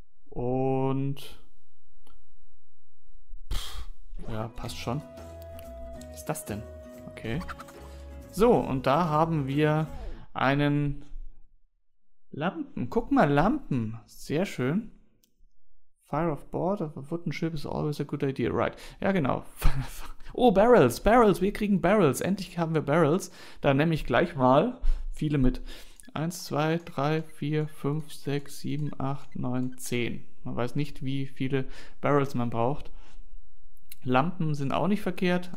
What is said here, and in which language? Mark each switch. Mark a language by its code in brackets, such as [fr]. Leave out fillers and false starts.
[de] Und... Ja, passt schon. Was ist das denn? Okay. So, und da haben wir einen Lampen. Guck mal, Lampen. Sehr schön. [en] Fire off board of a wooden ship is always a good idea. Right. [de] Ja, genau. Oh, Barrels. Barrels. Wir kriegen Barrels. Endlich haben wir Barrels. Da nehme ich gleich mal viele mit. 1, 2, 3, 4, 5, 6, 7, 8, 9, 10. Man weiß nicht, wie viele Barrels man braucht. Lampen sind auch nicht verkehrt.